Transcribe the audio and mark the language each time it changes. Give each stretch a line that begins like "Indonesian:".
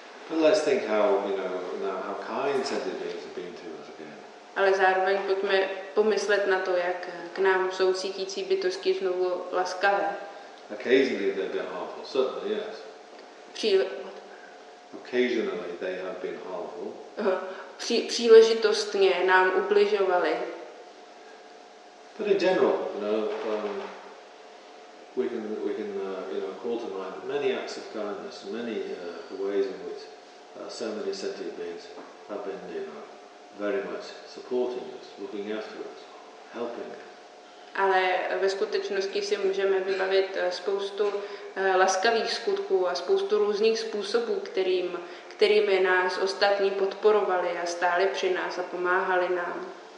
English: But let's think how, you know, now how kind sentient beings have been to us again.
Czech: Ale zároveň pojďme pomyslet na to, jak k nám jsou cítící bytosti znovu laskavé.
English: Occasionally they've been harmful, certainly, yes. Occasionally they have been harmful.
Czech: Příležitostně nám ubližovali.
English: But in general, you know, we can call to mind many acts of kindness, many ways in which so many sentient beings have been, you know, very much supporting us, looking after us, helping us.
Czech: Ale ve skutečnosti si můžeme vybavit spoustu laskavých skutků a spoustu různých způsobů, kterými nás ostatní podporovali a stáli při nás a pomáhali nám.